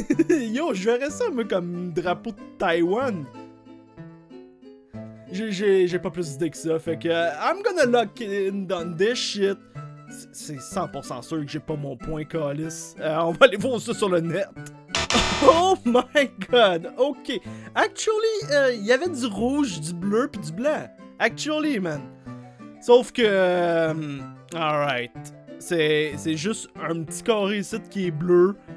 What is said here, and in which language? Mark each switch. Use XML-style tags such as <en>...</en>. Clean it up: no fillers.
<fr>yo, je verrais ça, moi, comme drapeau de Taïwan. J'ai pas plus d'idée que ça, fait que...</fr> <en>I'm gonna lock in on this shit.</en> <fr>C'est 100% sûr que j'ai pas mon point, Calis. On va aller voir ça sur le net.</fr> <en>Oh my god, ok. Actually,</en> <fr>il y avait du rouge, du bleu pis du blanc.</fr> <en>Actually, man.</en> <fr>Sauf que... alright. C'est juste un petit carré ici qui est bleu.</fr>